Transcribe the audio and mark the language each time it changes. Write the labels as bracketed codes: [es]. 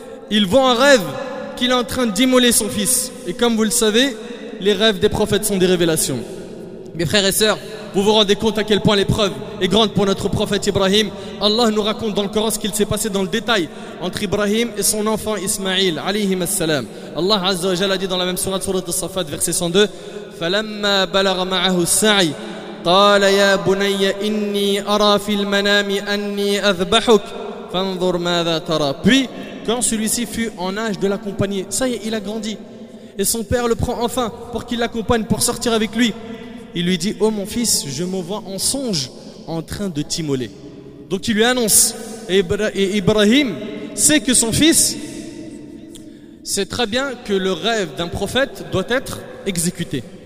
[fr] Il voit en rêve qu'il est en train d'immoler son fils. Et comme vous le savez, les rêves des prophètes sont des révélations. Mes frères et sœurs, vous vous rendez compte à quel point l'épreuve est grande pour notre prophète Ibrahim. Allah nous raconte dans le Coran ce qu'il s'est passé dans le détail entre Ibrahim et son enfant Ismaïl alayhi salam. Allah azza wa jalla a dit dans la même sourate, sourate As-Saffat, verset 102, [ar] فَلَمَّا بَلَغَ مَعَهُ السَّعِي قَالَ يَا بُنَيَّ إِنِّي أَرَى فِي الْمَنَامِ أَنِّي أَذْبَحُكَ فَانْظُرْ مَاذَا تَرَى. [fr] Puis quand celui-ci fut en âge de l'accompagner, ça y est, il a grandi et son père le prend enfin pour qu'il l'accompagne, pour sortir avec lui. Il lui dit, oh mon fils, je me vois en songe en train de t'immoler. Donc il lui annonce, et Ibrahim sait que son fils sait très bien que le rêve d'un prophète doit être exécuté.